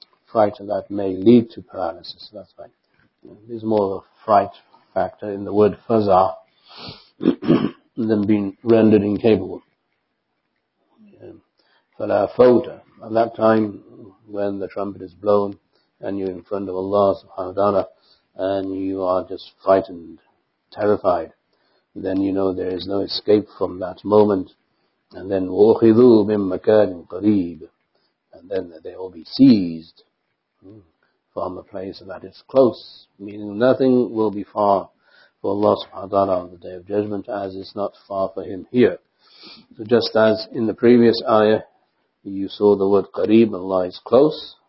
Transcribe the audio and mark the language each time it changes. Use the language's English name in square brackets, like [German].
[English] Fright that may lead to paralysis, that's right. There's more of a fright factor in the word faza than being rendered incapable. [Arabic] Fala fawta. [English] At that time, when the trumpet is blown, and you're in front of Allah subhanahu wa ta'ala, and you are just frightened, terrified, then you know there is no escape from that moment. And then, [Arabic] وَأُخِذُوا مِن مَكَانٍ قَرِيبٍ. [English] And then they will be seized from a place that is close. Meaning nothing will be far for Allah subhanahu wa ta'ala on the Day of Judgment, as it's not far for Him here. So just as in the previous ayah, you saw the word قَرِيبٍ, Allah is close.